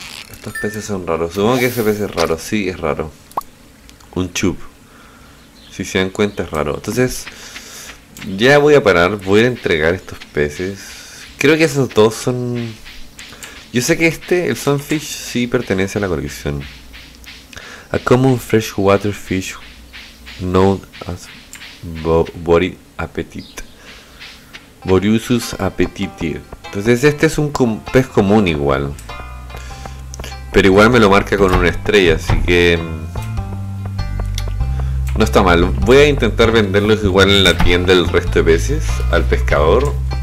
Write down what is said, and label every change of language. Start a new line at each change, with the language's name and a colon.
Spanish: Estos peces son raros. Supongo que ese pez es raro. Sí, es raro. Un chub. Si se dan cuenta, es raro. Entonces, ya voy a parar. Voy a entregar estos peces. Creo que esos dos son... Yo sé que este, el sunfish, sí pertenece a la colección.
English: A common freshwater fish known as Bori Appetit. Boriusus Appetiti.
Spanish: Entonces, este es un pez común igual. Pero igual me lo marca con una estrella, así que... No está mal. Voy a intentar venderlos igual en la tienda el resto de veces al pescador.